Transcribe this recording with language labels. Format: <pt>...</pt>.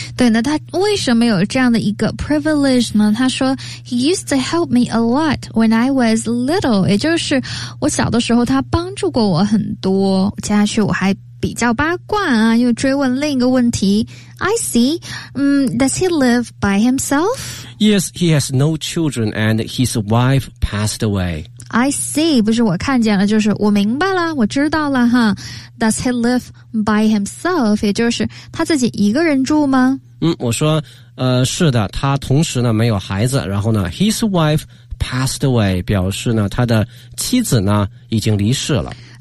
<zh>对，那他为什么有这样的一个 privilege 呢？他说</zh> <en>He used to help me a lot when I was little，</en> <zh>也就是我小的时候他帮助过我很多。接下去我还比较八卦啊，又追问另一个问题。</zh> <en>I see， Does he live by himself？ Yes， he has no children and his wife passed away。 I see，</en> <zh>不是我看见了，就是我明白了，我知道了哈。</zh> <en>Does he live by himself？</en> <zh>也就是他自己一个人住吗？我说，是的，他同时呢没有孩子，然后呢 ，</zh> <en>his wife passed away，</en> <zh>表示呢他的妻子呢已经离世了。</zh>